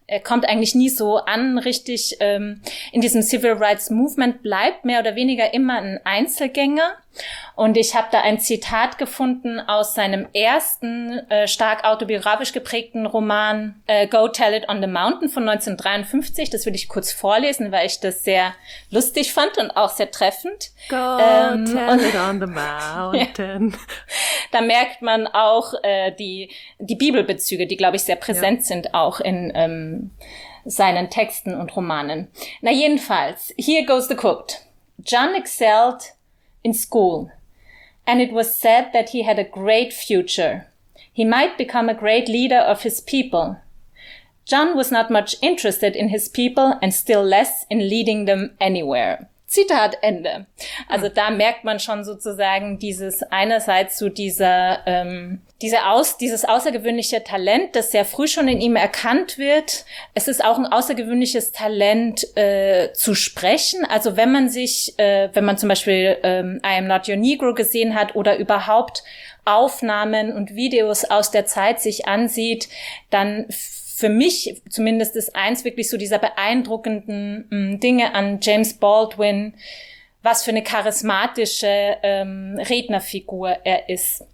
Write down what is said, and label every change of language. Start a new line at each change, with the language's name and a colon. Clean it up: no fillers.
German: Er kommt eigentlich nie so an, richtig in diesem Civil Rights Movement, bleibt mehr oder weniger immer ein Einzelgänger. Und ich habe da ein Zitat gefunden aus seinem ersten stark autobiografisch geprägten Roman Go Tell It on the Mountain von 1953. Das will ich kurz vorlesen, weil ich das sehr lustig fand und auch sehr treffend. Go Tell It on the Mountain. Da merkt man auch die Bibelbezüge, die, glaube ich, sehr präsent sind auch in seinen Texten und Romanen. Na jedenfalls,
English: here goes the quote. John excelled in school, and it was said that he had a great future. He might become a great leader of his people. John was not much interested in his people and still less in leading them anywhere.
German: Zitat Ende. Also da merkt man schon sozusagen dieses einerseits zu dieser dieses außergewöhnliche Talent, das sehr früh schon in ihm erkannt wird. Es ist auch ein außergewöhnliches Talent zu sprechen. Also wenn man sich, wenn man zum Beispiel I Am Not Your Negro gesehen hat oder überhaupt Aufnahmen und Videos aus der Zeit sich ansieht, dann für mich zumindest ist eins wirklich so dieser beeindruckenden Dinge an James Baldwin, was für eine charismatische Rednerfigur er ist.